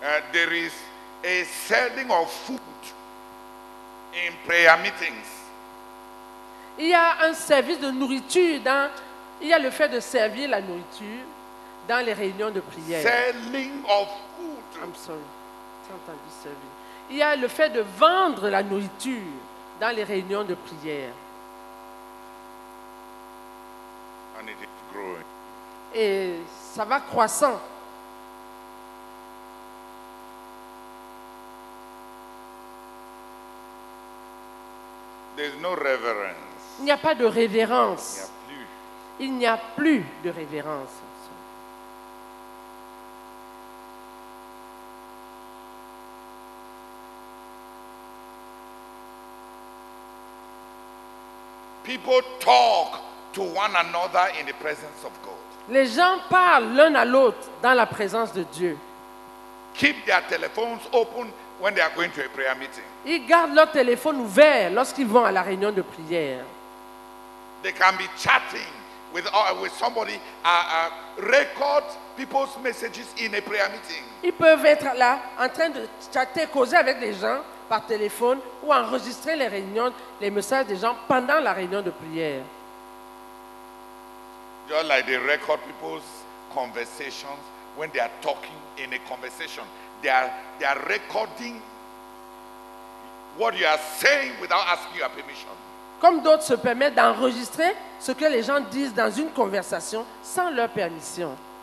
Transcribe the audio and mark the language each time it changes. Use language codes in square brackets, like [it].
[en] There is a selling of food in prayer meetings. [fr] Il y a un service de nourriture dans, il y a le fait de servir la nourriture dans les réunions de prière. [en] Selling of food. I'm sorry. [fr] J'ai entendu servir. Il y a le fait de vendre la nourriture dans les réunions de prière. [en] And it is growing. [fr] Et ça va croissant. [en] There's no reverence. [fr] Il n'y a pas de révérence. Il n'y a plus de révérence. [en] People talk to one another in the presence of God. [fr] Les gens parlent l'un à l'autre dans la présence de Dieu. [en] Keep their telephones open when they are going to a prayer meeting. [fr] Ils gardent leur téléphone ouvert lorsqu'ils vont à la réunion de prière. [en] They can be chatting with somebody, record people's messages in a prayer meeting. [fr] Ils peuvent être là en train de chatter, causer avec des gens par téléphone ou enregistrer les réunions, les messages des gens pendant la réunion de prière. [en] Just like they record people's conversations when they are talking in a conversation. They are recording what you are saying without asking your permission. [fr] Comme d'autres se permettent d'enregistrer ce que les gens disent dans une conversation sans leur permission.